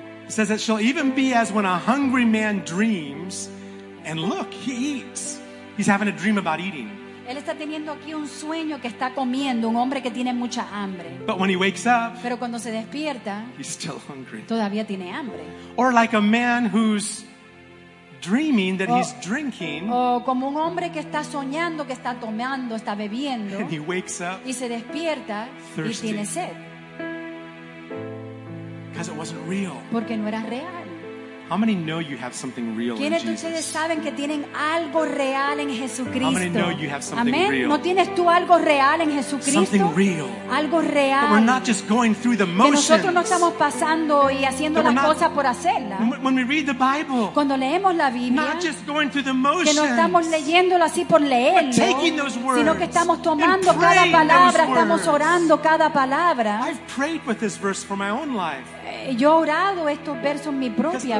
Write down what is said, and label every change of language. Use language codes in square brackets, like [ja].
[en] It says it shall even be as when a hungry man dreams, and look, he eats. He's having a dream about eating. [es] Él está teniendo aquí un sueño que está comiendo, un hombre que tiene mucha hambre. [en] But when he wakes up, [es] pero cuando se despierta, [en] he's still hungry. [es] Todavía tiene hambre. [en] Or like a man who's dreaming that he's drinking. [es] O como un hombre que está soñando, que está tomando, está bebiendo. [en] And he wakes up, [es] y se despierta [en] thirsty. [es] Y tiene sed. [en] Because it wasn't real. [es] Porque no era real. [en] How many know you have something real in Jesus? [es] ¿Quiénes ustedes saben que tienen algo real en Jesucristo? [en] How many know you have something Amen. Real? [es] ¿No tienes tú algo real en Jesucristo? [en] Something real. [es] Algo real. [en] But we're not just going through the motions. [es] Que nosotros no estamos pasando y haciendo las cosas por hacerla. [en] When we read the Bible. [es] Cuando leemos la Biblia. [en] Not just going through the motions. [es] Que no estamos leyéndolo así por leerlo. [en] But taking those words. [es] Sino que estamos tomando cada palabra, estamos orando cada palabra. [en] I've prayed with this verse for my own life. [es] Yo he orado estos versos en mi propia